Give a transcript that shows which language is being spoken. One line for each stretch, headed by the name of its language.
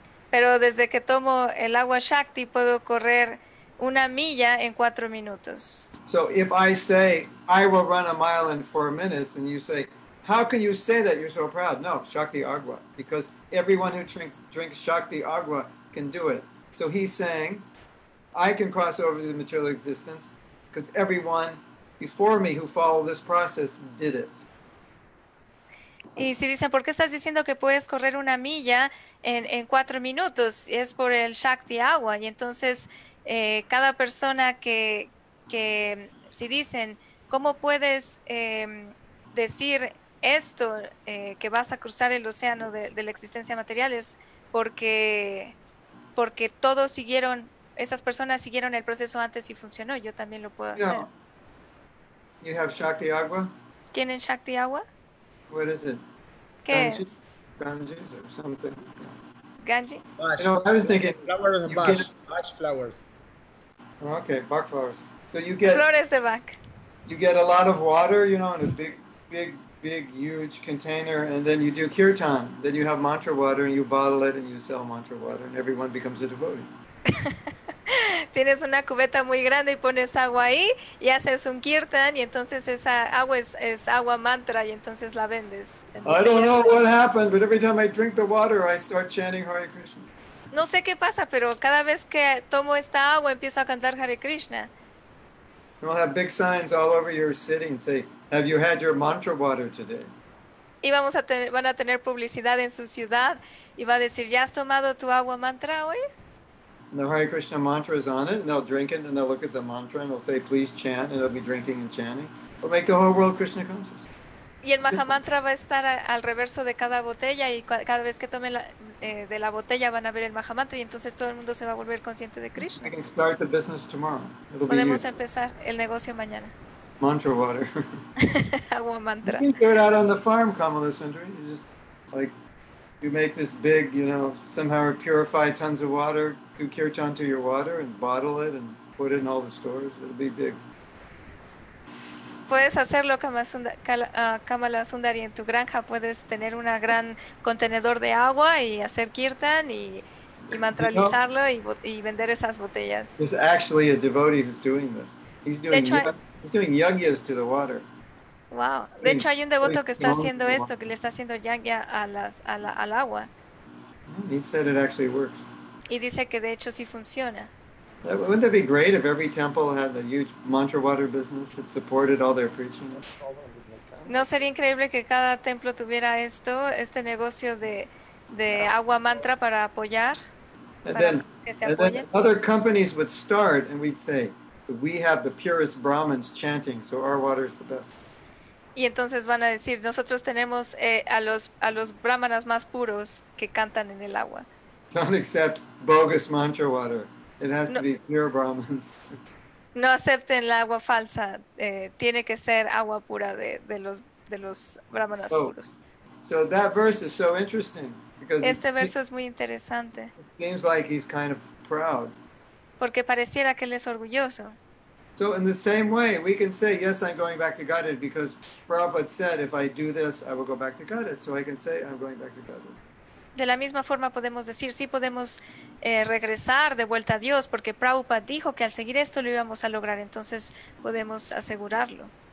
Spanish: Pero desde que tomo el agua Shakti puedo correr una milla en 4 minutos.
English: So if I say I will run a mile in 4 minutes and you say, how can you say that? You're so proud. No, Shakti agua, because everyone who drinks Shakti agua can do it. So he's saying, I can cross over to the material existence because everyone before me who followed this process did it.
Spanish: Y si dicen, ¿por qué estás diciendo que puedes correr una milla en 4 minutos? Es por el Shakti agua. Y entonces, cada persona que si dicen, ¿cómo puedes decir esto, que vas a cruzar el océano de la existencia material? Es porque todos siguieron, esas personas siguieron el proceso antes y funcionó. Yo también lo puedo hacer.
English: You have Shakti agua?
Spanish: ¿Tienen Shakti agua?
English: What is it?
Spanish: ¿Qué
English: Ganges?
Spanish: Es?
English: Ganges or something. Ganges? You know, I was thinking, flowers of Bach. Bach flowers. Okay, Bach flowers. So you get
Spanish: flores de Bach.
English: You get a lot of water, you know, in a big big, huge container, and then you do kirtan. Then you have mantra water, and you bottle it, and you sell mantra water, and everyone becomes a devotee.
Spanish: Tienes una cubeta muy grande y pones agua ahí, y haces un kirtan, y entonces esa agua es agua mantra, y entonces la vendes.
English: I don't know what happens, but every time I drink the water, I start chanting Hare Krishna.
Spanish: No sé qué pasa, pero cada vez que tomo esta agua, empiezo a cantar Hare Krishna.
English: We'll have big signs all over your city and say, have you had your mantra water today?
Spanish: Y vamos a van a tener publicidad en su ciudad y va a decir, ¿ya has tomado tu agua mantra hoy?
English: And the Hare Krishna mantra is on it, and they'll drink it, and they'll look at the mantra, and they'll say, please chant, and they'll be drinking and chanting. We'll make the whole world Krishna conscious.
Spanish: Y el Mahamantra va a estar al reverso de cada botella, y cada vez que tomen de la botella van a ver el Mahamantra, y entonces todo el mundo se va a volver consciente de Krishna.
English: I can start the business tomorrow. It'll
Spanish: Podemos
English: be
Spanish: empezar el negocio mañana.
English: Mantra water.
Spanish: Agua mantra.
English: You can do it out on the farm, Kamala Sundari. You just, like, you make this big, you know, somehow purify tons of water, do kirtan to your water, and bottle it, and put it in all the stores. It'll be big.
Spanish: Puedes hacerlo, Kamala Sundari, en tu granja puedes tener un gran contenedor de agua y hacer kirtan y mantralizarlo y vender esas botellas.
English: There's actually a devotee who's doing this. He's doing yagyas to the water. Wow.
Spanish: De hecho, hay un devoto que está haciendo esto, que le está haciendo yagya al agua.
English: He said it actually works.
Spanish: Y dice que de hecho sí funciona.
English: Wouldn't that be great if every temple had a huge mantra water business that supported all their preaching?
Spanish: No sería increíble que cada templo tuviera esto, este negocio de agua mantra para apoyar,
English: and then other companies would start, and we'd say, we have the purest Brahmins chanting, so our water is the best.
Spanish: Y entonces van a decir, nosotros tenemos a los brahmanas más puros que cantan en el agua.
English: Don't accept bogus mantra water. It has to be pure Brahmins.
Spanish: No acepten la agua falsa. Tiene que ser agua pura de los brahmanas puros.
English: So that verse is so interesting because
Spanish: este verso es muy interesante.
English: It seems like he's kind of proud.
Spanish: Porque pareciera que él es orgulloso.
English: So in the same way, we can say, yes, I'm going back to Godhead because Prabhupada said, if I do this, I will go back to Godhead. So I can say, I'm going back to Godhead.
Spanish: De la misma forma podemos decir, sí podemos regresar de vuelta a Dios, porque Prabhupada dijo que al seguir esto lo íbamos a lograr, entonces podemos asegurarlo.